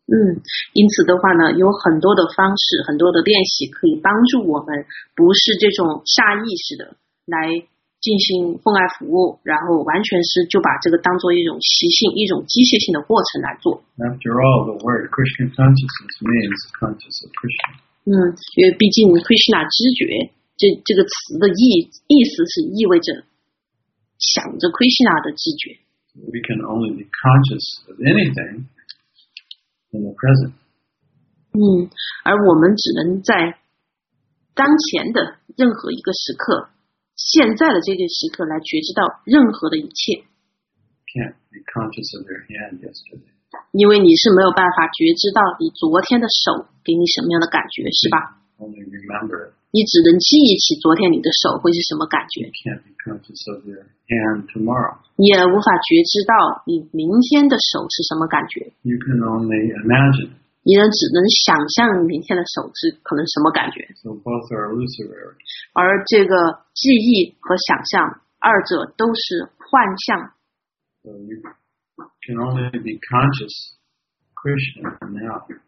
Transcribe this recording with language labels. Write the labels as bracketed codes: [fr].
[zh] 因此的话呢，有很多的方式，很多的练习可以帮助我们，不是这种下意识的来进行奉爱服务，然后完全是就把这个当做一种习性，一种机械性的过程来做。 [en] After all, the word Krishna consciousness means conscious of Krishna. [zh] 因为毕竟 Krishna 知觉这个词的意思是意味着想着 Krishna 的知觉。 [en] We can only be conscious of anything. In the present. [zh] 而我们只能在当前的任何一个时刻，现在的这个时刻来觉知到任何的一切。 [en] Can't be conscious of your hand yesterday. [zh] 因为你是没有办法觉知到你昨天的手给你什么样的感觉，是吧？ [en] Only remember it. [zh] 你只能记忆起昨天你的手会是什么感觉。 [en] Can't be conscious of your hand tomorrow. [zh] 也无法觉知到你明天的手是什么感觉。 [en] You can only imagine. [zh] 你能只能想象明天的手是可能什么感觉。 [en] So both are illusory. [zh] 而这个记忆和想象，二者都是幻象。 [en] So you can only be conscious Krishna now.